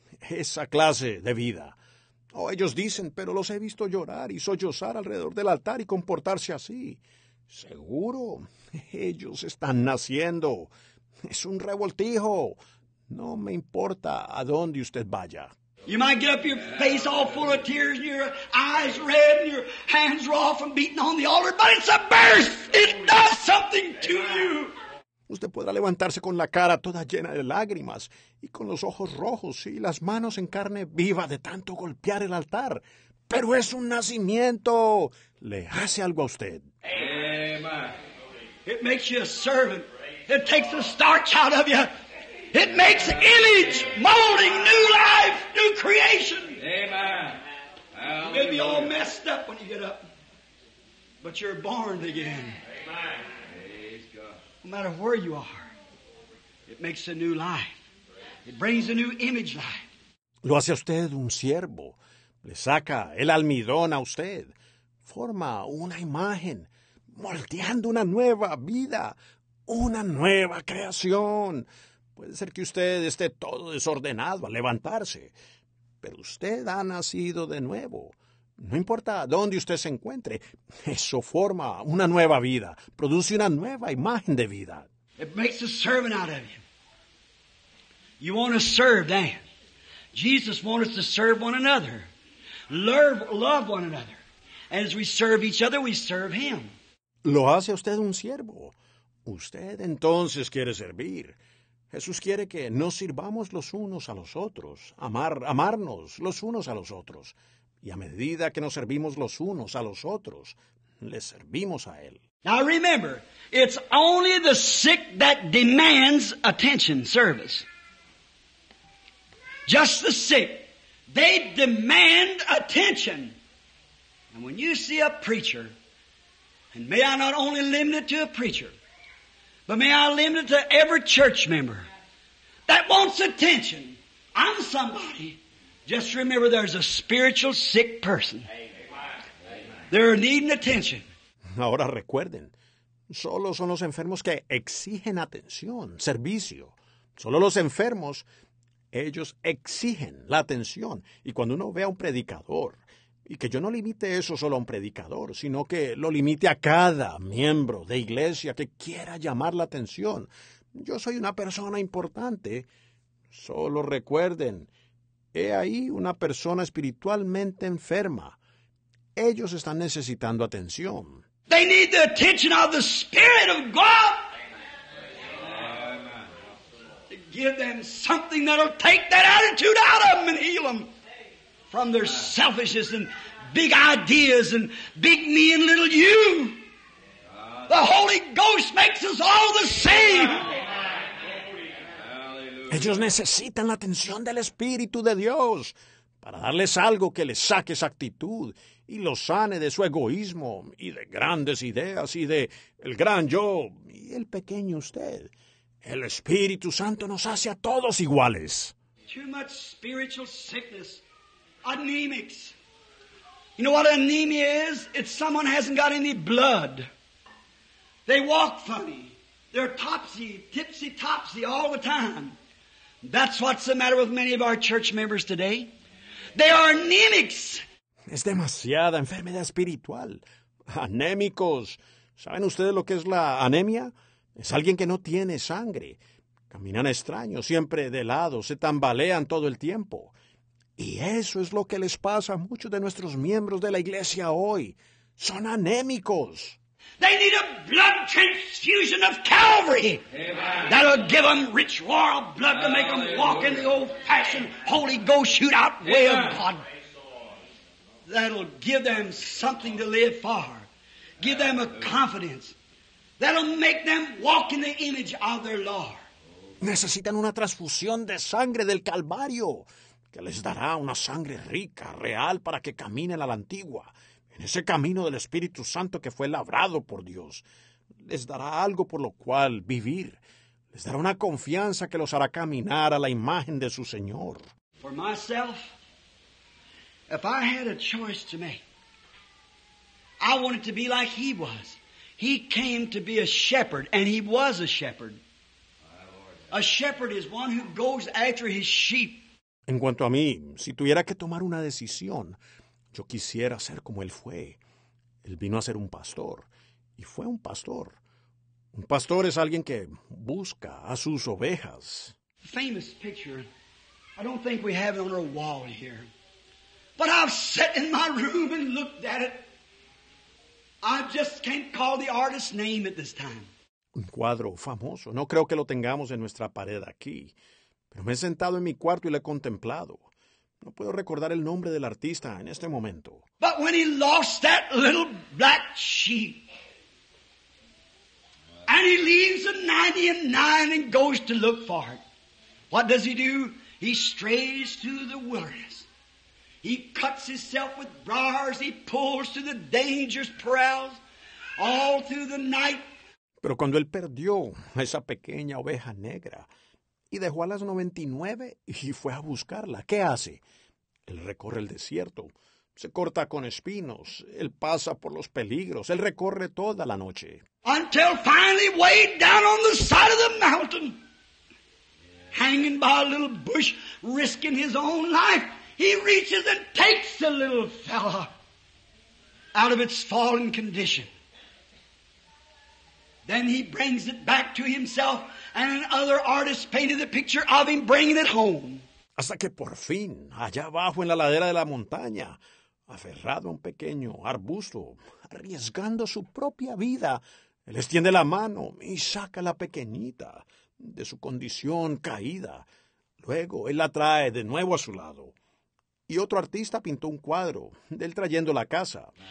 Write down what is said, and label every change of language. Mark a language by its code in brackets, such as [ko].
[es] Esa clase de vida. Oh, ellos dicen, pero los he visto llorar y sollozar alrededor del altar y comportarse así. Seguro, ellos están naciendo. Es un revoltijo. No me importa a dónde usted vaya. [en] You might get up, your face all full of tears, and your eyes red, and your hands raw from beating on the altar, but it's a birth! It does something to you! [es] Usted podrá levantarse con la cara toda llena de lágrimas, y con los ojos rojos, y las manos en carne viva de tanto golpear el altar. Pero es un nacimiento! Le hace algo a usted. [en] Amen. It makes you a servant. It takes the starch out of you. It makes image, molding, new life, new creation. Amen. You may be all messed up when you get up, but you're born again. Amen. No matter where you are, it makes a new life. It brings a new image life. [es] Lo hace a usted un siervo. Le saca el almidón a usted. Forma una imagen, moldeando una nueva vida, una nueva creación. Puede ser que usted esté todo desordenado al levantarse, pero usted ha nacido de nuevo. No importa dónde usted se encuentre, eso forma una nueva vida, produce una nueva imagen de vida. [en] It makes a servant out of you. You want to serve, then. Jesus wants us to serve one another. Love one another. And as we serve each other, we serve him. [es] Lo hace usted un siervo. Usted entonces quiere servir. Jesús quiere que nos sirvamos los unos a los otros, amarnos los unos a los otros. Y a medida que nos servimos los unos a los otros, le servimos a Él. [en] Now remember, it's only the sick that demands attention, service. Just the sick. They demand attention. And when you see a preacher, and may I not only limit it to a preacher, but may I limit it to every church member that wants attention. I'm somebody. Just remember, there's a spiritual sick person. They're needing attention. [es] Ahora recuerden, solo son los enfermos que exigen atención, servicio. Solo los enfermos, ellos exigen la atención. Y cuando uno ve a un predicador, y que yo no limite eso solo a un predicador, sino que lo limite a cada miembro de iglesia que quiera llamar la atención. Yo soy una persona importante. Solo recuerden, he ahí una persona espiritualmente enferma. Ellos están necesitando atención. [en] They need the attention of the Spirit of God. Amen. To give them something that will take that attitude out of them and heal them from their selfishness and big ideas and big me and little you. The Holy Ghost makes us all the same. [es] Ellos necesitan la atención del Espíritu de Dios para darles algo que les saque esa actitud y los sane de su egoísmo y de grandes ideas y de el gran yo y el pequeño usted. El Espíritu Santo nos hace a todos iguales. [en] Too much spiritual sickness. Anemics. You know what anemia is? It's someone hasn't got any blood. They walk funny. They're topsy, tipsy-topsy all the time. That's what's the matter with many of our church members today. They are anemics. [es] Es demasiada enfermedad espiritual. Anémicos. ¿Saben ustedes lo que es la anemia? Es alguien que no tiene sangre. Caminan extraños, siempre de lado, se tambalean todo el tiempo. Y eso es lo que les pasa a muchos de nuestros miembros de la iglesia hoy. Son anémicos. [en] They need a blood transfusion of Calvary. Amen. That'll give them rich royal blood to make them walk in the old-fashioned Holy Ghost shoot-out way of God. That'll give them something to live for. Give them a confidence. That'll make them walk in the image of their Lord. [es] Necesitan una transfusión de sangre del Calvario que les dará una sangre rica, real, para que caminen a la antigua. En ese camino del Espíritu Santo que fue labrado por Dios, les dará algo por lo cual vivir. Les dará una confianza que los hará caminar a la imagen de su Señor. [en] For myself, if I had a choice to make, I wanted to be like he was. He came to be a shepherd, and he was a shepherd. A shepherd is one who goes after his sheep. [es] En cuanto a mí, si tuviera que tomar una decisión, yo quisiera ser como él fue. Él vino a ser un pastor, y fue un pastor. Un pastor es alguien que busca a sus ovejas. [en] Famous picture. I don't think we have it on our wall here. But I've sat in my room and looked at it. I just can't call the artist's name at this time. [es] Un cuadro famoso. No creo que lo tengamos en nuestra pared aquí. Pero me he sentado en mi cuarto y lo he contemplado. No puedo recordar el nombre del artista en este momento. [en] But when he lost that little black sheep, and he leaves the 99 and goes to look for it, what does he do? He strays through the wilderness. He cuts himself with briars. He pulls through the dangerous perils all through the night. [es] Pero cuando él perdió a esa pequeña oveja negra, y dejó a las 99 y fue a buscarla. ¿Qué hace? Él recorre el desierto. Se corta con espinos. Él pasa por los peligros. Él recorre toda la noche. [en] Until finally way down on the side of the mountain. Hanging by a little bush, risking his own life. He reaches and takes the little fella out of its fallen condition. Then he brings it back to himself. And another artist painted the picture of him bringing it home. [es] Hasta que por fin, allá abajo en la ladera de la montaña, aferrado a un pequeño arbusto, arriesgando su propia vida, él extiende la mano y saca a la pequeñita de su condición caída. Luego él la trae de nuevo a su lado. Y otro artista pintó un cuadro de él trayéndola a casa.